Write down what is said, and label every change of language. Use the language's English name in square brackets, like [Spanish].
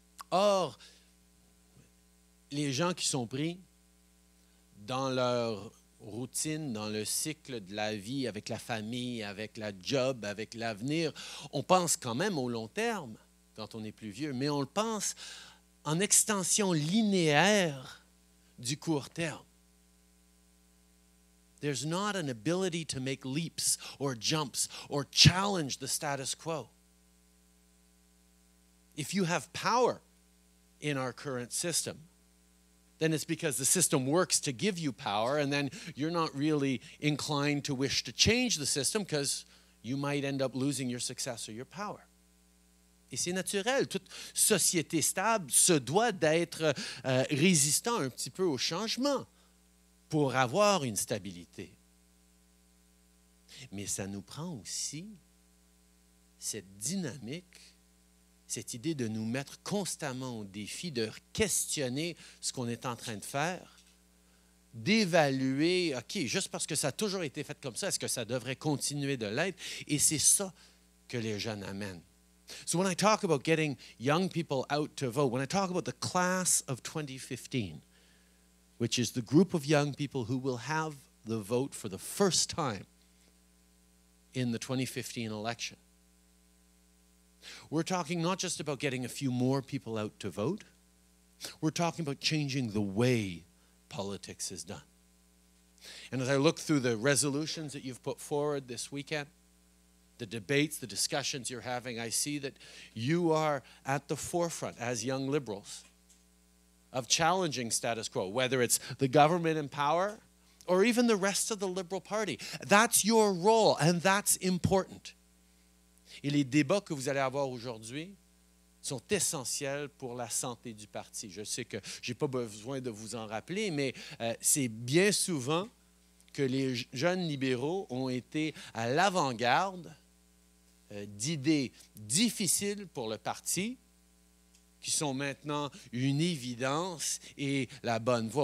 [French] Or, les gens qui sont pris dans leur routine, dans le cycle de la vie, avec la famille, avec la job, avec l'avenir, on pense quand même au long terme, quand on est plus vieux, mais on le pense en extension linéaire du court terme. [English] There's not an ability to make leaps or jumps or challenge the status quo. If you have power in our current system, then it's because the system works to give you power, and then you're not really inclined to wish to change the system because you might end up losing your success or your power. [French] Et c'est naturel. Toute société stable se doit d'être résistant un petit peu au changement pour avoir une stabilité. Mais ça nous prend aussi cette dynamique, cette idée de nous mettre constamment au défi, de questionner ce qu'on est en train de faire, d'évaluer, OK, juste parce que ça a toujours été fait comme ça, est-ce que ça devrait continuer de l'être? Et c'est ça que les jeunes amènent. [English] So when I talk about getting young people out to vote, when I talk about the class of 2015, which is the group of young people who will have the vote for the first time in the 2015 election, we're talking not just about getting a few more people out to vote. We're talking about changing the way politics is done. And as I look through the resolutions that you've put forward this weekend, the debates, the discussions you're having, I see that you are at the forefront as young liberals of challenging status quo, whether it's the government in power or even the rest of the Liberal Party. That's your role, and that's important. [French] Et les débats que vous allez avoir aujourd'hui sont essentiels pour la santé du parti. Je sais que je n'ai pas besoin de vous en rappeler, mais c'est bien souvent que les jeunes libéraux ont été à l'avant-garde d'idées difficiles pour le parti, qui sont maintenant une évidence et la bonne voie.